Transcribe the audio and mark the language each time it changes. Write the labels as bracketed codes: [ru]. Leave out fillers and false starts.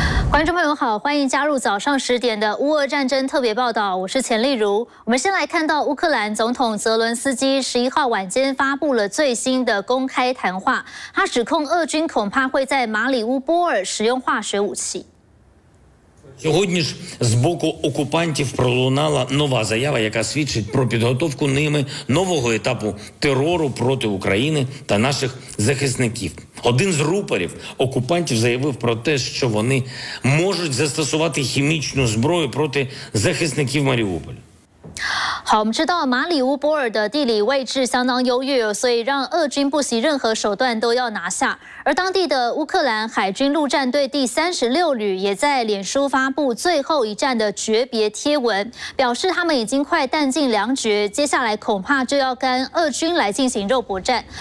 [zh] 观众朋友好，欢迎加入早上十点的乌俄战争特别报道，我是钱丽如。我们先来看到乌克兰总统泽伦斯基十一号晚间发布了最新的公开谈话，他指控俄军恐怕会在马里乌波尔使用化学武器。 [uk] Сьогодні ж з боку окупантів пролунала нова заява, яка свідчить про підготовку ними нового етапу терору проти України та наших захисників. Один з рупорів окупантів заявив про те, що вони можуть застосувати хімічну зброю проти захисників Маріуполя. [zh] 好，我们知道马里乌波尔的地理位置相当优越，所以让俄军不惜任何手段都要拿下。而当地的乌克兰海军陆战队第36旅也在脸书发布最后一战的诀别贴文，表示他们已经快弹尽粮绝，接下来恐怕就要跟俄军来进行肉搏战。